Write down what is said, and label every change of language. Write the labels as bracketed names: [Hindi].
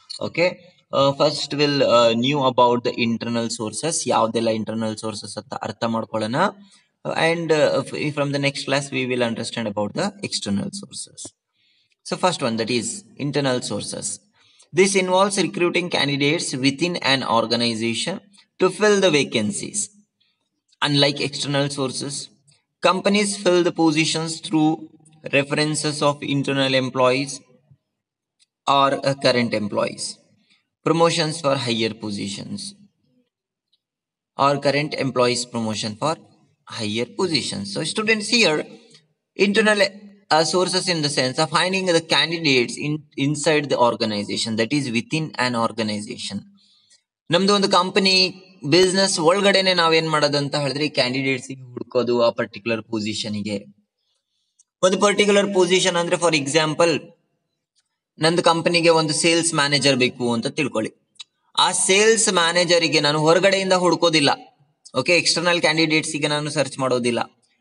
[English] okay, first will new about the internal sources, [Kannada] ಯಾವ್ದೆಲ್ಲ internal sources ಅಂತ ಅರ್ಥ ಮಾಡ್ಕೊಳ್ಳೋಣ. [English] And from the next class we will understand about the external sources. So first one, that is internal sources. This involves recruiting candidates within an organisation to fill the vacancies. Unlike external sources, companies fill the positions through references of internal employees or current employees. Promotions for higher positions or current employees' promotion for higher positions. So students, here internal sources in the sense of finding the candidates inside the organization, that is within an organization. [Kannada] ನಮ್ದು ಒಂದು company business ಒಳಗಡೆನೆ ನಾವೇನ್ ಮಾಡೋದು ಅಂತ ಹೇಳಿದ್ರೆ, candidates ಹುಡುಕೋದು ಆ particular ಪೊಸಿಷನ್ಗೆ. ಒಂದು particular position ಅಂದ್ರೆ, ಫಾರ್ ಎಕ್ಸಾಂಪಲ್, ನಂದು ಕಂಪನಿಗೆ ಒಂದು ಸೇಲ್ಸ್ ಮ್ಯಾನೇಜರ್ ಬೇಕು ಅಂತ ತಿಳ್ಕೊಳ್ಳಿ. ಆ ಸೇಲ್ಸ್ ಮ್ಯಾನೇಜರ್ಗೆ ನಾನು ಹೊರಗಡೆಯಿಂದ ಹುಡುಕೋದಿಲ್ಲ, ಓಕೆ, ಎಕ್ಸ್ಟರ್ನಲ್ ಕ್ಯಾಂಡಿಡೇಟ್ಸ್ಗೆ ನಾನು ಸರ್ಚ್ ಮಾಡೋದಿಲ್ಲ.